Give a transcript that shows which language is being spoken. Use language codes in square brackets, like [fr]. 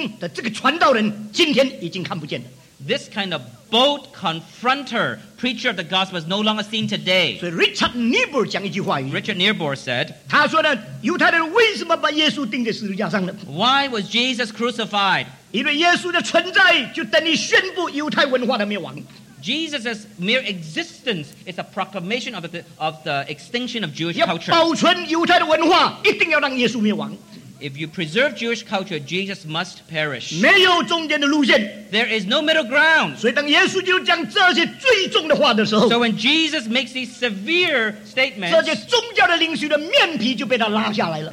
[zh] 像这样勇敢正面交锋的这个传道人，今天已经看不见了。 [en] This kind of bold confronter, preacher of the gospel is no longer seen today. So [zh] Richard Niebuhr 讲一句话语, [en] Richard Niebuhr said, [zh] 他说呢, 犹太人为什么把耶稣钉在十字架上呢? [en] Why was Jesus crucified? [zh] 因为耶稣的存在就等于宣布犹太文化的灭亡。 [en] Jesus' mere existence is a proclamation of the extinction of Jewish culture. [zh] 要保存犹太的文化, 一定要让耶稣灭亡。 [en] If you preserve Jewish culture, Jesus must perish. [zh] 没有中间的路线。 [en] There is no middle ground. [zh] 所以当耶稣基督讲这些最重的话的时候, [en] so when Jesus makes these severe statements, [zh] 这些宗教的领袖的面皮就被他拉下来了,